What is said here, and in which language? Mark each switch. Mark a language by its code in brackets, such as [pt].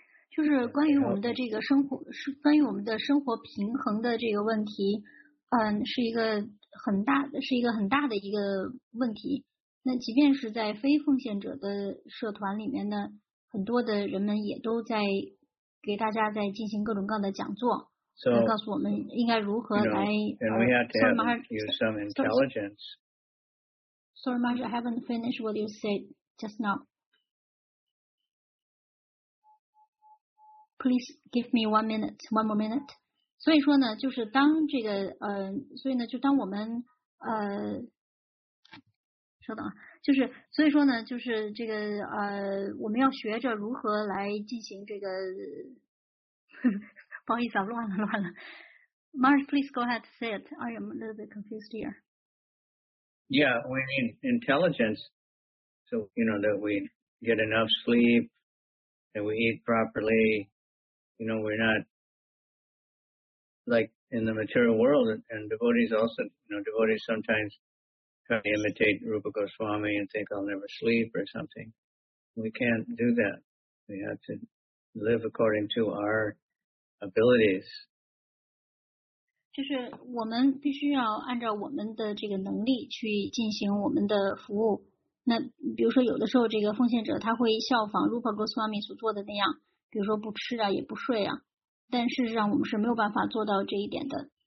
[zh] 就是关于我们的这个生活，关于我们的生活平衡的这个问题，是一个。很大的一个问题。那即便是在非奉献者的社团里面呢，很多的人们也都在给大家在进行各种各样的讲座，来告诉我们应该如何来。 [en] And we have to have use some intelligence. Sorry, Marge, I haven't finished what you said just now. Please give me one more minute. [zh] 所以说呢，就是当这个所以呢，就当我们稍等啊，就是所以说呢，就是这个我们要学着如何来进行这个，不好意思啊，乱了。 [en] Marge, please go ahead and say it. I am a little bit confused here. Yeah, we need intelligence. So, you know, that we get enough sleep, that we eat properly. You know, we're not like in the material world. And devotees also, you know, devotees sometimes try to imitate Rupa Goswami and think I'll never sleep or something. We can't do that. We have to live according to our abilities. [zh] 就是我们必须要按照我们的这个能力去进行我们的服务。那比如说有的时候这个奉献者他会效仿 Rupa Goswami 所做的那样，比如说不吃啊也不睡啊，但事实上我们是没有办法做到这一点的。